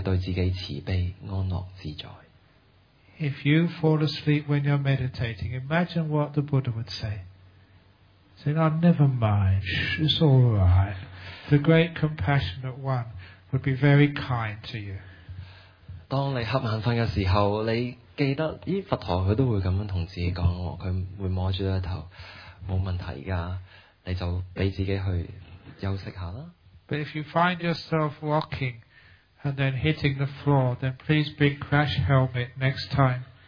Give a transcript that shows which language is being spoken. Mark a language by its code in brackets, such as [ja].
[yue] 正正佛陀慈悲，佢係安樂自在，請你亦都係對自己慈悲，安樂自在。 [en] If you fall asleep when you're meditating, imagine what the Buddha would say. Say, oh, never mind, it's all right. The great compassionate one would be very kind to you. [yue] 當你瞌眼瞓嘅時候，你記得，咦，佛陀佢都會咁樣同自己講喎，佢會摸住個頭，冇問題㗎，你就俾自己去休息下啦。 [en] But if you find yourself walking and then hitting the floor, then please bring crash helmet next time.